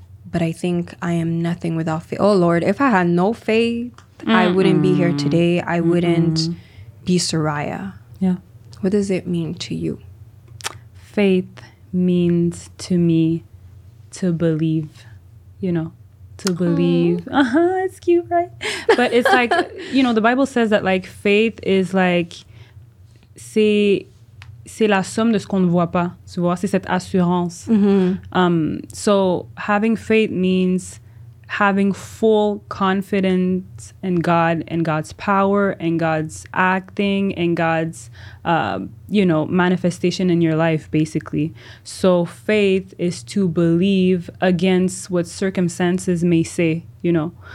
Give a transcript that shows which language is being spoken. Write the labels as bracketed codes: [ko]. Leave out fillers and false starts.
[en] But I think I am nothing without faith. Oh, Lord, if I had no faith, mm-hmm, I wouldn't be here today. I mm-hmm wouldn't be Soraya. Yeah. What does it mean to you? Faith means to me to believe, you know, to believe. Aww. Uh-huh, it's cute, right? But it's like, you know, the Bible says that like faith is like [fr] c'est la somme de ce qu'on ne voit pas, tu vois, c'est cette assurance. [en] Mm-hmm. So having faith means having full confidence in God and God's power and God's acting and God's, you know, manifestation in your life, basically. So faith is to believe against what circumstances may say, you know.